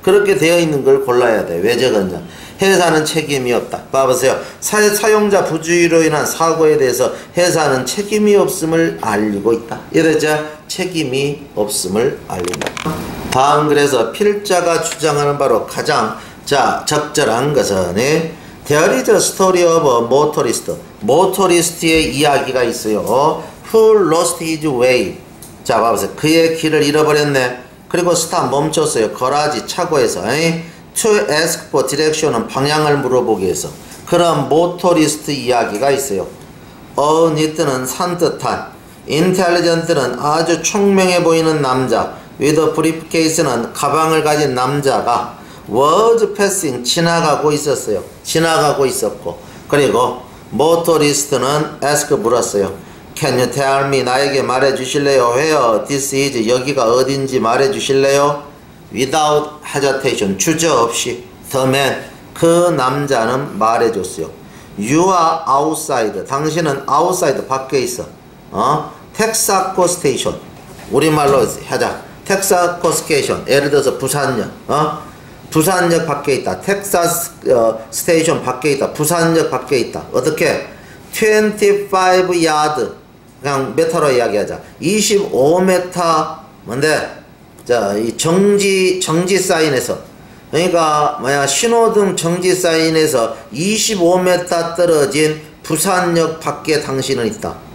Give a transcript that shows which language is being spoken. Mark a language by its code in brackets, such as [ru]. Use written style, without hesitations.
[ko] 그렇게 되어 있는 걸 골라야 돼. 왜 적었냐? 회사는 책임이 없다. 봐보세요. 사용자 부주의로 인한 사고에 대해서 회사는 책임이 없음을 알리고 있다. 이해됐지? 책임이 없음을 알린다. 다음 글에서 필자가 주장하는 바로 가장, 자, 적절한 것은, 예? [en] There is a story of a motorist. [ko] 모터리스트의 이야기가 있어요. [en] Who lost his way. [ko] 자, 봐보세요. 그의 길을 잃어버렸네. 그리고 스탑, 멈췄어요. 거라지, 차고에서. [en] To ask for direction [ko] 은 방향을 물어보기 위해서. 그런 모터리스트 이야기가 있어요. [en] Honest [ko] 는 산뜻한. [en] Intelligent [ko] 는 아주 총명해 보이는 남자. [en] With a briefcase [ko] 는 가방을 가진 남자가. 워즈 패싱 지나가고 있었어요. 지나가고 있었고 그리고 모토리스트는 에스크 물었어요. [en] Can you tell me [ko] 나에게 말해주실래요? [en] Where this is [ko] 여기가 어딘지 말해주실래요? [en] Without hesitation [ko] 주저 없이 [en] The man [ko] 그 남자는 말해줬어요. [en] You are outside [ko] 당신은 [en] outside [ko] 밖에 있어. 텍사코 스테이션 우리말로 하자 텍사코 스테이션 예를 들어서 부산역 부산역 밖에 있다 텍사스 스테이션 밖에 있다 부산역 밖에 있다 어떻게 25 야드 그냥 메타로 이야기하자 25m 뭔데 자 이 정지 사인에서 그러니까 뭐야 신호등 정지 사인에서 25m 떨어진 부산역 밖에 당신은 있다